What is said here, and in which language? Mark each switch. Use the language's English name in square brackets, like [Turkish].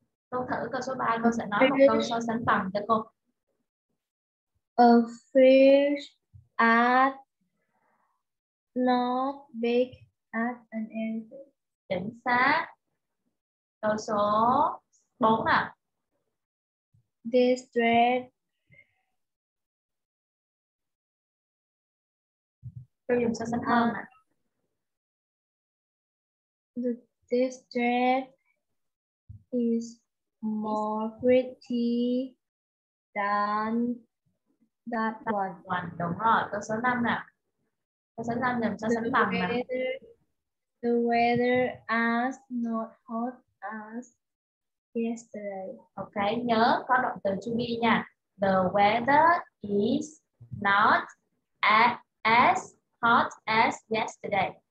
[Vietnamese] Con thử câu số 3, con sẽ nói một câu so sánh bằng cho con. [English] A fish is not big as an elephant. [Vietnamese] Chính xác. Câu số Bốn à? [English] This dress. [Vietnamese] Tôi dùng so sánh hơn à? [English] This dress is more pretty than that one. [Vietnamese] Đúng rồi, câu số 5 nào. Câu số 5 nhầm so sánh bằng nào. [English] The weather is not hot as yesterday. [Vietnamese] Ok, nhớ có động từ to be nha. [English] The weather is not as hot as yesterday.